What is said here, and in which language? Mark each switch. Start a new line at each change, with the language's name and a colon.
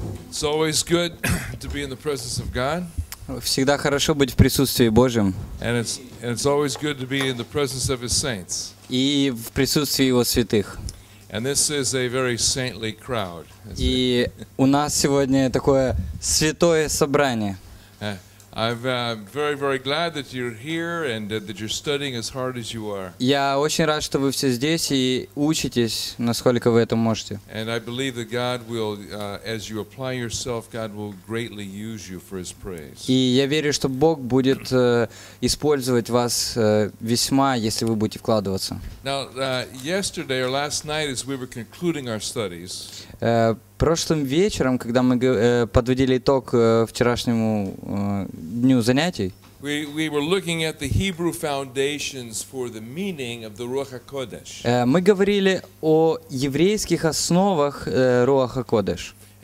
English: It's always good to be in the presence of God.
Russian: Всегда хорошо быть в присутствии Божьем.
English: And it's always good to be in the presence of His saints.
Russian: И в присутствии Его святых.
English: And this is a very saintly crowd.
Russian: И у нас сегодня такое святое собрание.
English: I'm very, very glad that you're here and that you're studying as hard as you are.
Russian: Я очень рад, что вы все здесь и учитесь, насколько вы это можете.
English: And I believe that God will, as you apply yourself, God will greatly use you for His praise.
Russian: И я верю, что Бог будет использовать вас весьма, если вы будете вкладываться.
English: Now, yesterday or last night, as we were concluding our studies.
Russian: Прошлым вечером, когда мы подводили итог вчерашнему дню занятий, мы говорили о еврейских основах Руаха Кодеш.